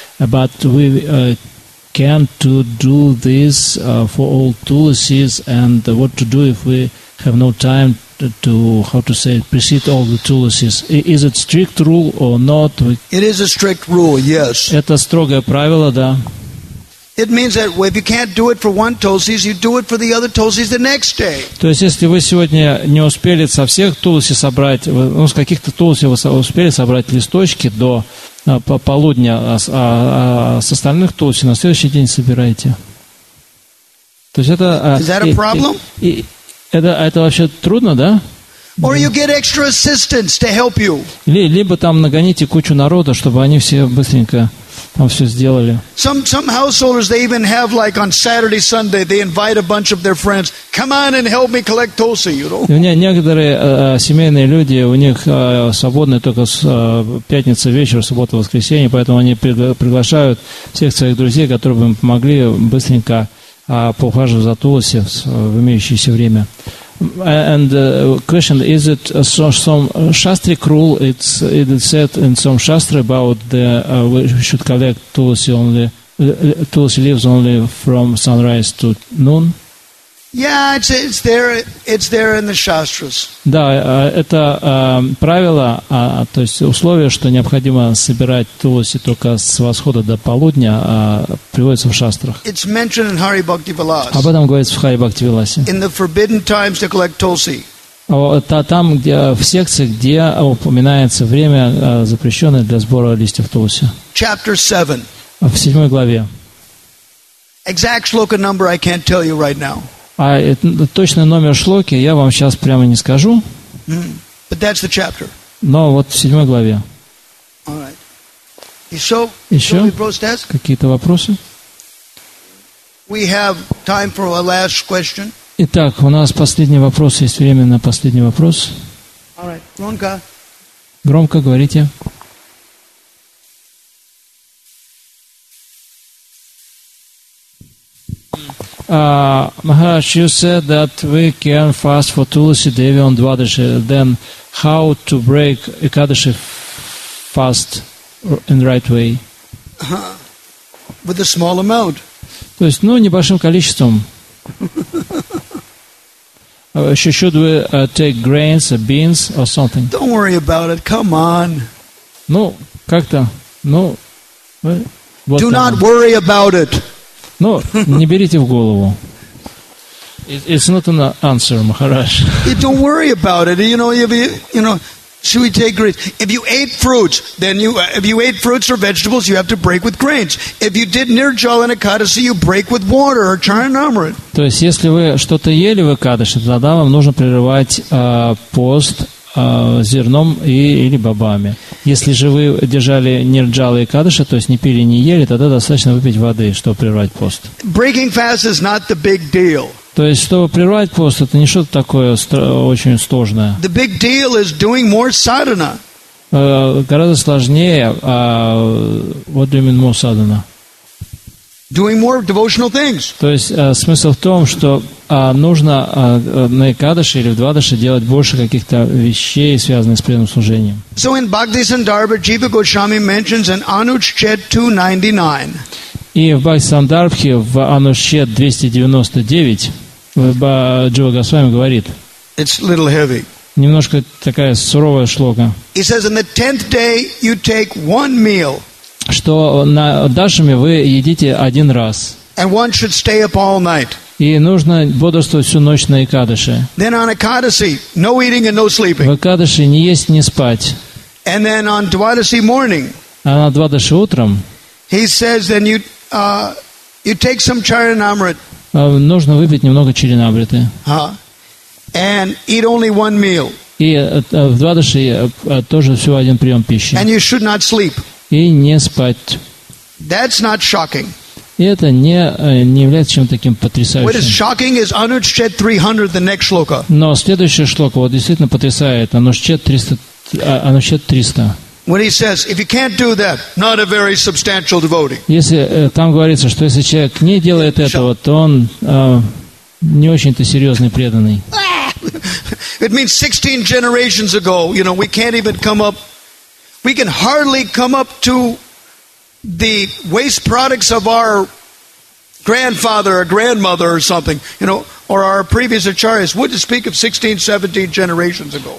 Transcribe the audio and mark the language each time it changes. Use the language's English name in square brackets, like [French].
[English] But we can't do this for all tulsis, and what to do if we have no time to how to say it, precede all the tulasis. Is it strict rule or not? It is a strict rule, yes. [Russian] Это строгое правило, да. [English] It means that if you can't do it for one tulsis, you do it for the other tulsis the next day. [Russian] То есть если вы сегодня не успели со всех тулсис собрать, ну с каких-то тулсис вы успели собрать листочки до полудня, с остальных тулсис на следующий день собираете. То есть это. [English] Is that a problem? [Russian] Это вообще трудно, да? [English] Or you get extra assistance to help you. [Russian] Либо там нагоните кучу народа, чтобы они все быстренько там все сделали. [English] Some householders, they even have, like, on Saturday, Sunday, they invite a bunch of their friends, come on and help me collect tulsi, you know? [Russian] Некоторые семейные люди, у них свободны только с пятницы вечера, суббота, воскресенье, поэтому они приглашают всех своих друзей, которые бы им помогли быстренько поухаживать за тулоси в имеющееся время. [English] And question, is it some shastric rule? It's said in some shastra about the we should collect tulsi only tulsi leaves only from sunrise to noon. Yeah, it's there. It's there in the shastras. [Russian] Да, это правило, то есть условие, что необходимо собирать тулоси только с восхода до полудня, приводится в шастрах. [English] It's mentioned in Hari Bhakti Vilas. [Russian] Об этом говорится в Hari Bhakti Vilasе. [English] In the forbidden times to collect tulsi. [Russian] Там, где в секции, где упоминается время запрещенное для сбора листьев тулоси. [English] Chapter 7. [Russian] В 7 главе. [English] Exact shloka number I can't tell you right now. [Russian] А точный номер шлоки я вам сейчас прямо не скажу. [English] But that's the chapter. [Russian] Но вот в 7 главе. [English] All right. So, [Russian] еще [English] so [Russian] какие-то вопросы? [English] We have time for a last question. [Russian] Итак, у нас последний вопрос. Есть время на последний вопрос. [English] All right. [Russian] Громко. Громко говорите. [English] Maharaj, you said that we can fast for Tulsi Devi on Dvadashi. Then how to break Ekadashi fast in the right way? With a small amount. [Russian] То есть, ну, небольшим количеством. [English] Should we take grains or beans or something? Don't worry about it. Come on. [Russian] Ну, как-то. Ну, [English] what do not worry about it. [Russian] Ну, не берите в голову. [English] It's not an answer, Maharaj. You don't worry about it. You know, should we take grains? If you ate fruits, if you ate fruits or vegetables, you have to break with grains. If you did nirjala ekadasi, you break with water or charanamrit. [Russian] То есть, если вы что-то ели в экадаши, тогда вам нужно прерывать пост зерном или бобами. Если же вы держали нирджалы и кадыши, то есть не пили, не ели, тогда достаточно выпить воды, чтобы прервать пост. [English] Breaking fast is not the big deal. [Russian] То есть, чтобы прервать пост, это не что-то такое очень сложное. [English] The big deal is doing more sadhana. [Russian] Гораздо сложнее. [English] What do you mean more sadhana? Doing more devotional things. [Russian] То есть смысл в том, что нужно на Экадаши или в Двадаши делать больше каких-то вещей, связанных с преданным служением. [English] So in Bhaktisandarbha, Jiva Goswami mentions an Anuchchet 299. [Russian] И в Бхактисандарбхе в Анучхет 299 Джива Госвами говорит. [English] It's a little heavy. [Russian] Немножко такая суровая шлока. [English] He says, on the 10th day you take one meal. [Russian] Что на дашами вы едите один раз. [English] And one should stay up all night. [Russian] И нужно бодрствовать всю ночь на Экадаши. [English] Then on Ekadasi, no eating and no sleeping. [Russian] В Экадаши не есть, не спать. [English] And then on Dvadasi morning, [Russian] а на Двадаши утром [English] he says, then you take some charanamrit. [Russian] Нужно выпить немного чаринамриты. [English] And eat only one meal. [Russian] И в Двадаши тоже всего один прием пищи. [English] And you should not sleep. [Russian] И не спать. [English] That's not shocking. [Russian] И это не является чем-то таким потрясающим. [English] What is shocking is Anuchchet 300, the next shloka. [Russian] Но следующая шлока вот действительно потрясает. [English] Anuchchet 300. When he says, if you can't do that, not a very substantial devotee. [Russian] Если там говорится, что если человек не делает этого, то он не очень-то серьезный преданный. [English] It means 16 generations ago, you know, we can't even come up. We can hardly come up to the waste products of our grandfather or grandmother or something, you know, or our previous acharyas, wouldn't speak of 16, 17 generations ago.